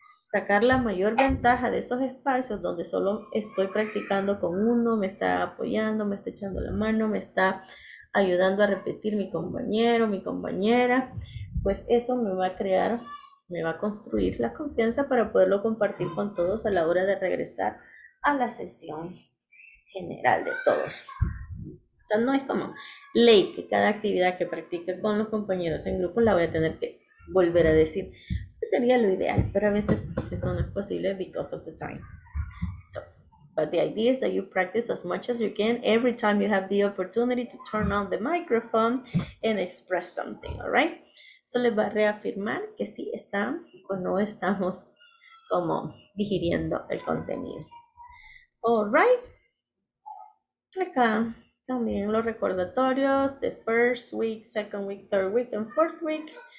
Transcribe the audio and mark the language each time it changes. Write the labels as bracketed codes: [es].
[es] sacar la mayor ventaja de esos espacios donde solo estoy practicando con uno, me está apoyando, me está echando la mano, me está ayudando a repetir mi compañero, mi compañera, pues eso me va a crear, me va a construir la confianza para poderlo compartir con todos a la hora de regresar a la sesión general de todos. O sea, no es como ley que cada actividad que practique con los compañeros en grupo la voy a tener que volver a decir. Sería lo ideal, pero a veces eso no es posible [en] because of the time. So, but the idea is that you practice as much as you can every time you have the opportunity to turn on the microphone and express something, all right? [es] So les va a reafirmar que sí están o no estamos como digiriendo el contenido. [en] All right? [es] Acá también los recordatorios, [en] the first week, second week, third week, and fourth week.